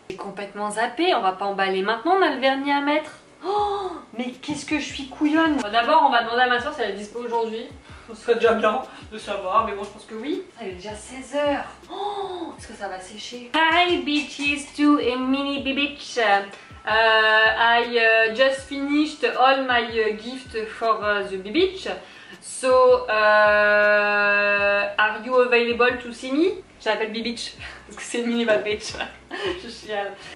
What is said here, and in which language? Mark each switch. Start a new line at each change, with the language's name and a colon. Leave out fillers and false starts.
French: J'ai complètement zappé, on va pas emballer maintenant, on a le vernis à mettre. Oh, mais qu'est-ce que je suis couillonne. Bon, d'abord on va demander à ma soeur si elle est dispo aujourd'hui. Ce serait déjà bien de savoir, mais bon je pense que oui. Ça, il est déjà 16h. Oh, est-ce que ça va sécher?
English: Hi bitches to a mini bitch. I just finished all my gift for the bitch. So are you available to see me?
French: Je l'appelle bitch parce que c'est mini bitch. Je chiale.